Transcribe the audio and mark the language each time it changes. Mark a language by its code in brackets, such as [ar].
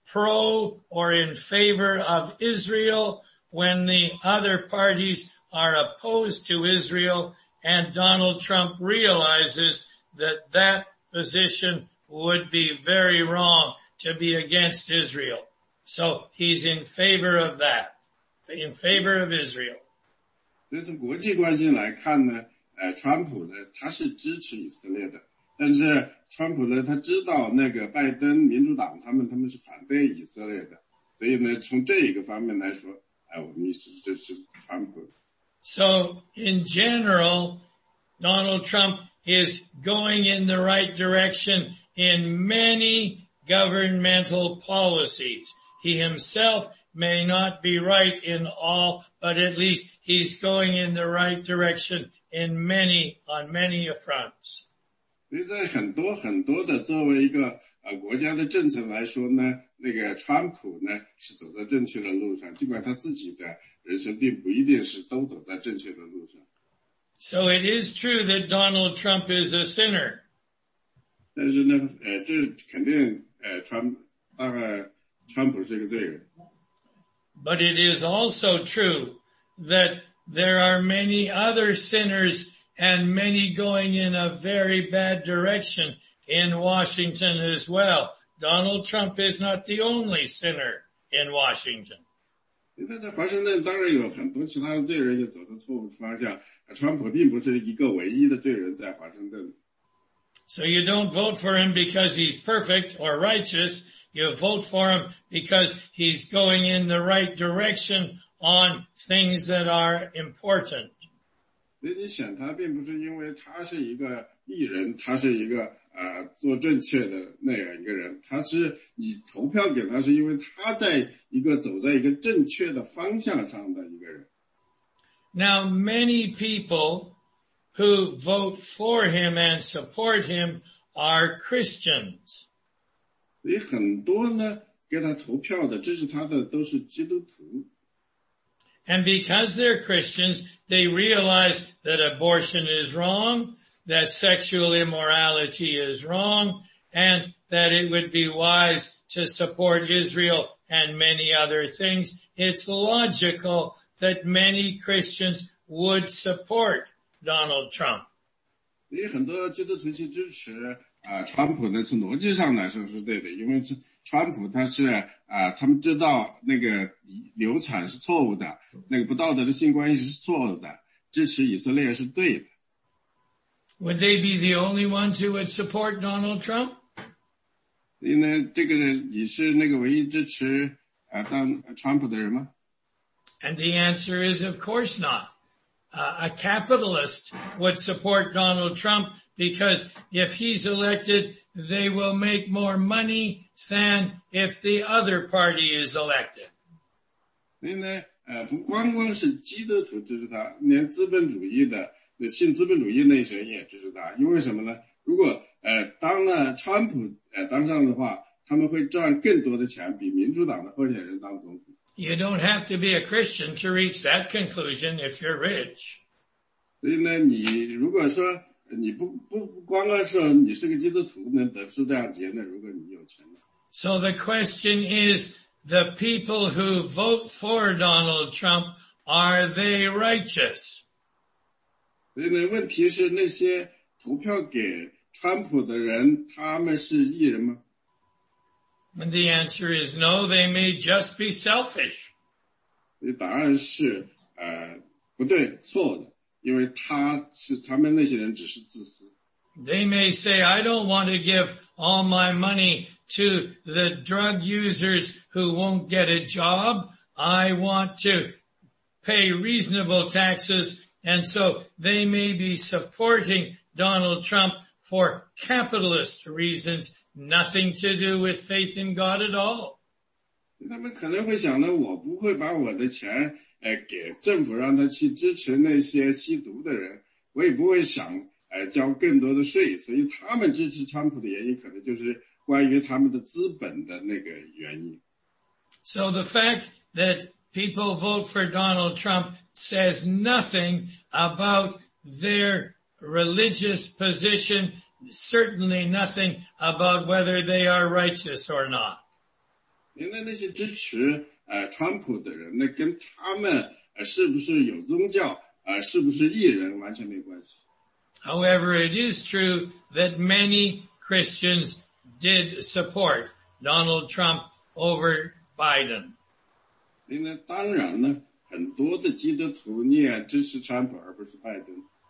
[en] Pro or in favor of Israel when the other parties are opposed to Israel, and Donald Trump realizes that that position would be very wrong to be against Israel. So he's in favor of that, in favor of Israel. [zh] 就是国际关系来看呢，川普呢，他是支持以色列的。但是川普呢，他知道那个拜登民主党他们是反对以色列的，所以呢，从这一个方面来说，我们是支持川普。 [en] So in general, Donald Trump is going in the right direction in many governmental policies. He himself may not be right in all, but at least he's going in the right direction on many fronts. [zh] 所以在很多很多的作为一个国家的政策来说呢，那个川普呢是走在正确的路上，尽管他自己的人生并不一定是都走在正确的路上。 [en] So it is true that Donald Trump is a sinner. [zh] 但是呢，这肯定，川，大概川普是个罪人。 [en] But it is also true that there are many other sinners and many going in a very bad direction in Washington as well. Donald Trump is not the only sinner in Washington. [zh] 因为在华盛顿当然有很多其他的罪人也走到错误的方向，川普并不是一个唯一的罪人在华盛顿。 [en] So you don't vote for him because he's perfect or righteous. You vote for him because he's going in the right direction on things that are important. [zh] 所以你选他并不是因为他是一个艺人，他是一个做正确的那样一个人。他是你投票给他是因为他在一个走在一个正确的方向上的一个人。 [en] Now many people who vote for him and support him are Christians. [zh] 所以很多呢给他投票的支持他的都是基督徒。 [en] And because they're Christians, they realize that abortion is wrong, that sexual immorality is wrong, and that it would be wise to support Israel and many other things. It's logical that many Christians would support Donald Trump. [zh] 因为很多基督徒去支持川普呢，从逻辑上来说是对的，因为川普他是他们知道那个流产是错误的，那个不道德的性关系是错误的，支持以色列是对的。 [en] Would they be the only ones who would support Donald Trump? [zh] 因为这个你是那个唯一支持川普的人吗？ [en] And the answer is of course not. A capitalist would support Donald Trump because if he's elected, they will make more money than if the other party is elected. [zh] 因为不光光是基督徒支持他，连资本主义的信资本主义那些人也支持他，因为什么呢？如果当了川普当上的话，他们会赚更多的钱，比民主党的候选人当总统。 [en] You don't have to be a Christian to reach that conclusion if you're rich. [zh] 所以呢，你如果说你不光光说你是个基督徒能得出这样结论，如果你有钱呢 [en] ？So the question is, the people who vote for Donald Trump, are they righteous? [zh] 所以呢，问题是那些投票给川普的人，他们是义人吗？ [en] And the answer is no, they may just be selfish. [zh] 答案是不对，错的，因为他们那些人只是自私。 [en] They may say, I don't want to give all my money to the drug users who won't get a job. I want to pay reasonable taxes. And so they may be supporting Donald Trump for capitalist reasons, nothing to do with faith in God at all. [zh] 他们可能会想呢，我不会把我的钱给政府，让他去支持那些吸毒的人，我也不会想交更多的税，所以他们支持川普的原因可能就是关于他们的资本的那个原因。 [en] So the fact that people vote for Donald Trump says nothing about their religious position, certainly nothing about whether they are righteous or not. [zh] 因为那些支持川普的人，那跟他们是不是有宗教，是不是义人完全没关系。 [en] However, it is true that many Christians did support Donald Trump over Biden. [zh] 因为当然呢，很多的基督徒宁愿支持川普而不是拜登。